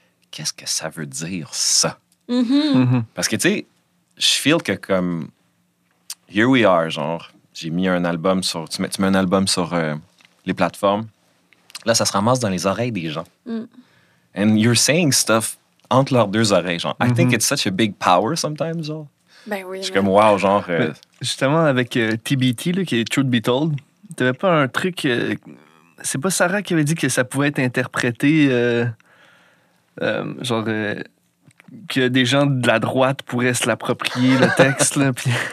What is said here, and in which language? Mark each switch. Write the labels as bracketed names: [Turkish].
[French] Qu'est-ce que ça veut dire, ça? Mm-hmm. Mm-hmm. Parce que, tu sais, je feel que comme... [English] Here we are, [French] genre. J'ai mis un album sur... Tu mets un album sur les plateformes. Là, ça se ramasse dans les oreilles des gens. Mm. [English] And you're saying stuff [French] entre leurs deux oreilles, [English] genre. Mm-hmm. I think it's such a big power sometimes, genre. [French] Ben oui. Je suis comme, wow, genre... Justement, avec TBT, là, qui est Truth Be Told, t'avais pas un truc... c'est pas Sarah qui avait dit que ça pouvait être interprété... que des gens de la droite pourraient se l'approprier, le texte. Là, pis...